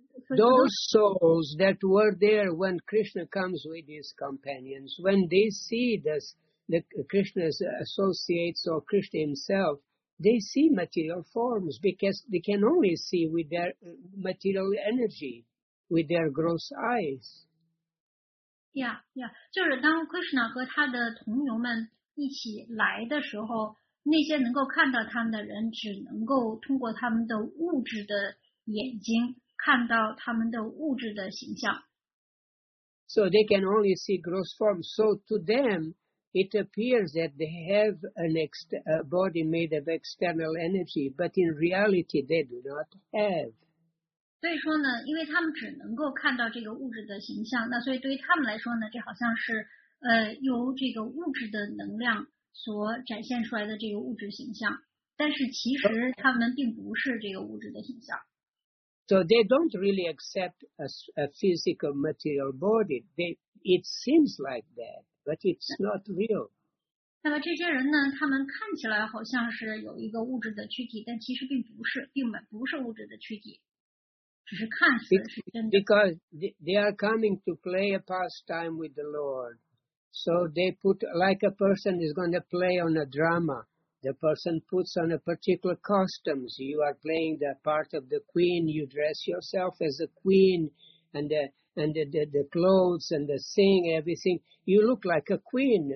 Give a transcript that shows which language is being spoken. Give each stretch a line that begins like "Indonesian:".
English: those souls that were there when Krishna comes with his companions, when they see this, the Krishna's associates or Krishna himself,They see material forms because they can only see with their material energy, with their gross eyes. Yeah.
Chinese: 就是当 Krishna 和他的同游们一起来的时候，那些能够看到他们的人只能够通过他们的物质的眼睛看到他们的物质的形象。
English: So they can only see gross forms. So to them,It appears that they have a body made of external energy, but in reality they do not have.
Chinese: 所以说呢，因为他们只能够看到这个物质的形象，那所以对于他们来说呢，这好像是由这个物质的能量所展现出来的这个物质形象，但是其实他们并不是这个物质的形象。
English: So they don't really accept a physical material body. It seems like that. But it's not real.
Chinese: 那么这些人呢，他们看起来好像是有一个物质的躯体，但其实并不是，并不是物质的躯体，只是看似是真的。
English: Because they are coming to play a pastime with the Lord. So they put, like a person is going to play on a drama. The person puts on a particular costume. You are playing the part of the queen. You dress yourself as a queen. And the clothes and the thing, everything, you look like a queen.